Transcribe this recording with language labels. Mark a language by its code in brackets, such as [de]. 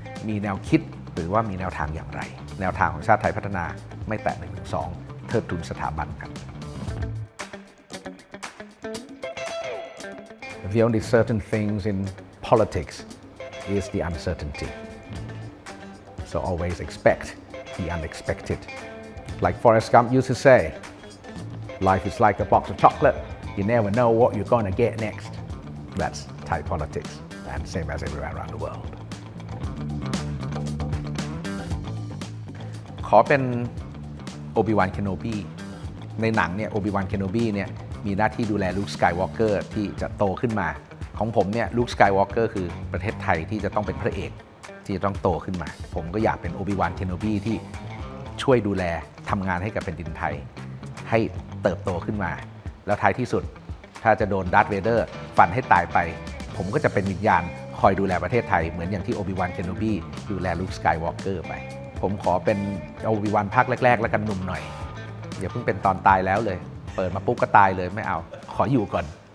[th] มีแนวคิดหรือว่ามีแนวทางอย่างไรแนวทางของชาติไทยพัฒนาไม่แตะ112เทิดทูนสถาบันกัน [en] The only certain things in politics is the uncertainty. So always expect the unexpected. Like Forrest Gump used to say, life is like a box of chocolate. You never know what you're gonna get next. That's Thai politics, and same as everywhere around the world. [th] ขอเป็นObi-Wan Kenobi ในหนังเนี่ย Obi-Wan Kenobi เนี่ยมีหน้าที่ดูแลลูก Skywalker ที่จะโตขึ้นมาข ของผมเนี่ยลูคสกายวอล์กเกอร์คือประเทศไทยที่จะต้องเป็นพระเอกที่จะต้องโตขึ้นมาผมก็อยากเป็นโอบิวานเคโนบีที่ช่วยดูแลทำงานให้กับแผ่นดินไทยให้เติบโตขึ้นมาแล้วท้ายที่สุดถ้าจะโดนดาร์ธเวเดอร์ฟันให้ตายไปผมก็จะเป็นวิญญาณคอยดูแลประเทศไทยเหมือนอย่างที่โอบิวานเคโนบีดูแลลูคสกายวอล์กเกอร์ไปผมขอเป็นโอบิวานภาคแรกๆแล้วกันหนุ่มหน่อยอย่าเพิ่งเป็นตอนตายแล้วเลยเปิดมาปุ๊บ ก็ตายเลยไม่เอาขออยู่ก่อน